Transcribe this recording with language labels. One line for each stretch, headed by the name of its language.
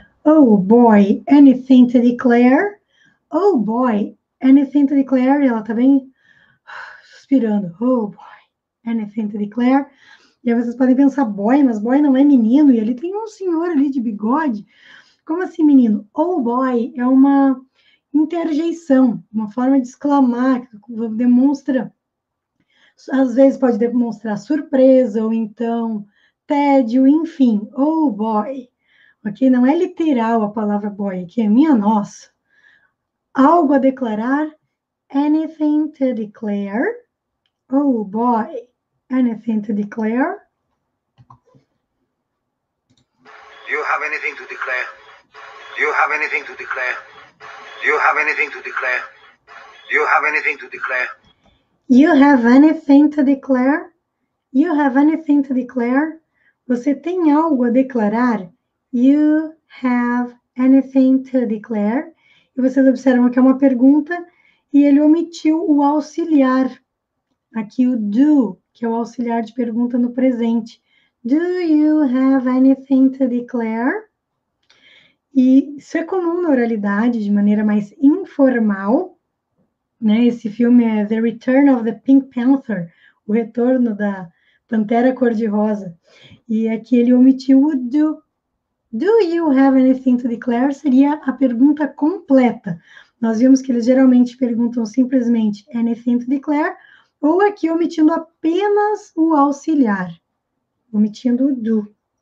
English: Oh boy, anything to declare? Oh boy. Anything to declare?
Portuguese: E ela tá bem suspirando.
English: Oh boy, anything to declare?
Portuguese: E aí vocês podem pensar, boy, mas boy não é menino. E ali tem um senhor ali de bigode. Como assim, menino? Oh boy é uma interjeição, uma forma de exclamar, que demonstra, às vezes pode demonstrar surpresa ou então tédio, enfim. Oh boy, ok? Não é literal a palavra boy, que é minha nossa. Algo a declarar?
English: Anything to declare?
Portuguese: Oh boy, anything to declare?
English: Do you have anything to declare? Do you have anything to declare? Do you have anything to declare? Do you have anything to declare? You have anything to declare? You have anything to declare?
Portuguese: Você tem algo a declarar?
English: You have anything to declare?
Portuguese: E vocês observam que é uma pergunta e ele omitiu o auxiliar. Aqui o do, que é o auxiliar de pergunta no presente.
English: Do you have anything to declare?
Portuguese: E isso é comum na oralidade, de maneira mais informal, né? Esse filme é The Return of the Pink Panther, o retorno da Pantera Cor-de-Rosa. E aqui ele omitiu o do.
English: Do you have anything to declare?
Portuguese: Seria a pergunta completa. Nós vimos que eles geralmente perguntam simplesmente
English: anything to declare,
Portuguese: ou aqui omitindo apenas o auxiliar, omitindo o do.